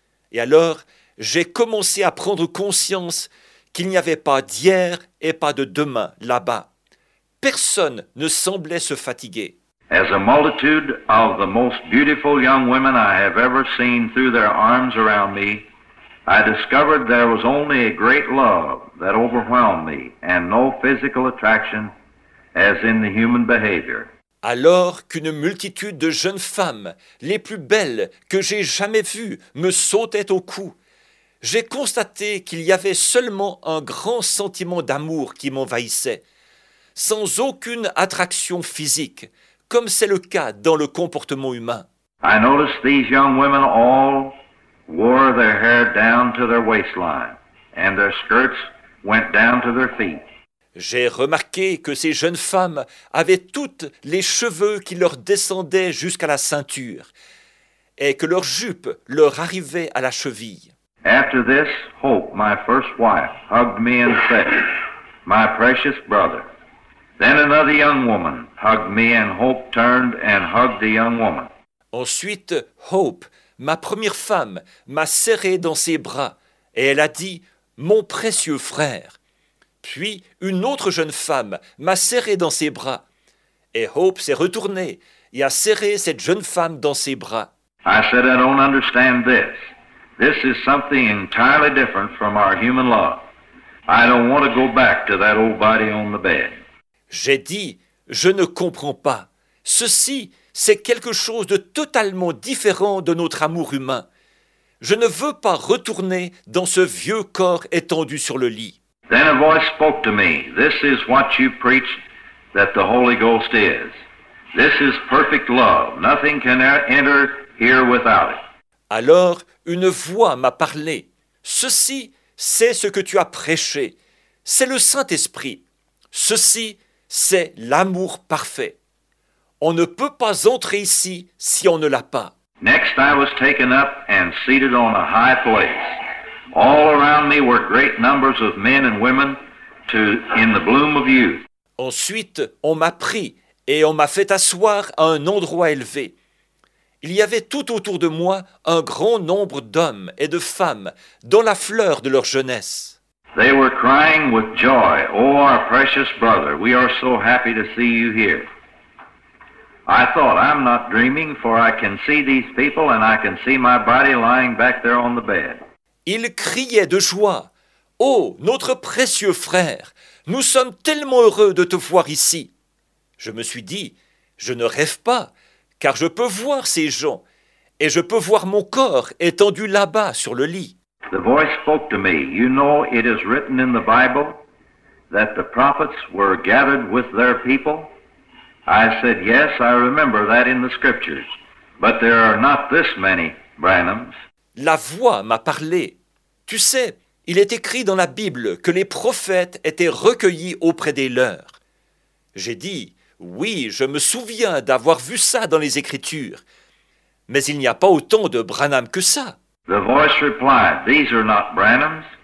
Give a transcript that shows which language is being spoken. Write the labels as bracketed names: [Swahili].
[French] Et alors, j'ai commencé à prendre conscience qu'il n'y avait pas d'hier et pas de demain là-bas. Personne ne semblait se fatiguer. [English] As a multitude of the most beautiful young women I have ever seen threw their arms around me, I discovered there was only a great love that overwhelmed me and no physical attraction as in the human behavior. [French] Alors qu'une multitude de jeunes femmes, les plus belles que j'ai jamais vues, me sautaient au cou, j'ai constaté qu'il y avait seulement un grand sentiment d'amour qui m'envahissait, sans aucune attraction physique, comme c'est le cas dans le comportement humain. [English] I noticed these young women all wore their hair down to their waistline, and their skirts went down to their feet. [French] J'ai remarqué que ces jeunes femmes avaient toutes les cheveux qui leur descendaient jusqu'à la ceinture et que leurs jupes leur arrivaient à la cheville. [English] After this, Hope, my first wife, hugged me and said, "My precious brother." Then another young woman hugged me and Hope turned and hugged the young woman. [French] Ensuite, Hope, ma première femme, m'a serré dans ses bras et elle a dit, "Mon précieux frère." Puis, une autre jeune femme m'a serré dans ses bras. Et Hope s'est retournée et a serré cette jeune femme dans ses bras. [English] I said, I don't understand this. This is something entirely different from our human love. I don't want to go back to that old body on the bed. [French] J'ai dit, je ne comprends pas. Ceci, c'est quelque chose de totalement différent de notre amour humain. Je ne veux pas retourner dans ce vieux corps étendu sur le lit. [English] Then a voice spoke to me, "This is what you preach that the Holy Ghost is. This is perfect love. Nothing can enter here without it." [French] Alors, une voix m'a parlé. Ceci, c'est ce que tu as prêché. C'est le Saint-Esprit. Ceci, c'est l'amour parfait. On ne peut pas entrer ici si on ne l'a pas. [English] Next, I was taken up and seated on a high place. All around me were great numbers of men and women in the bloom of youth. [French] Ensuite, on m'a pris et on m'a fait asseoir à un endroit élevé. Il y avait tout autour de moi un grand nombre d'hommes et de femmes dans la fleur de leur jeunesse. [English] They were crying with joy, "Oh, our precious brother, we are so happy to see you here." I thought, "I'm not dreaming, for I can see these people and I can see my body lying back there on the bed." [French] Ils criaient de joie, « Oh, notre précieux frère, nous sommes tellement heureux de te voir ici !» Je me suis dit, « Je ne rêve pas, car je peux voir ces gens, et je peux voir mon corps étendu là-bas sur le lit. » [English] The voice spoke to me, « You know, it is written in the Bible that the prophets were gathered with their people. » I said, « Yes, I remember that in the scriptures, but there are not this many Branhams. » [French] La voix m'a parlé. Tu sais, il est écrit dans la Bible que les prophètes étaient recueillis auprès des leurs. J'ai dit, oui, je me souviens d'avoir vu ça dans les Écritures. Mais il n'y a pas autant de Branham que ça. [English] The voice replied, "These are not Branhams.